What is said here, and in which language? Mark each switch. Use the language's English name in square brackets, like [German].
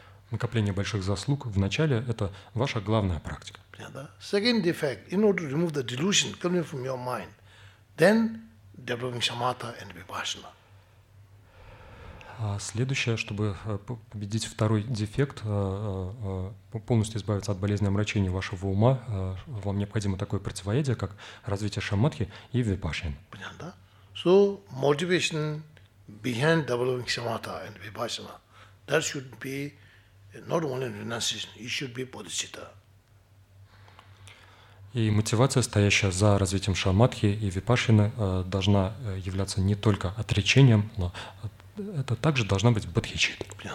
[Russian] Накопление больших заслуг в начале — это ваша главная практика. [English] Second defect, in order to remove the delusion coming from your mind, then developing shamatha and vipassana. [Russian] А следующее, чтобы победить второй дефект, полностью избавиться от болезни омрачения вашего ума, вам необходимо такое противоядие, как развитие шамадхи и випашана. Понятно, да? [English] So motivation behind developing shamatha and vipassana, that should be not only renunciation, it should be bodhicitta. [Russian] И мотивация, стоящая за развитием шамадхи и випашаны, должна являться не только отречением, но это также должна быть бодхичит.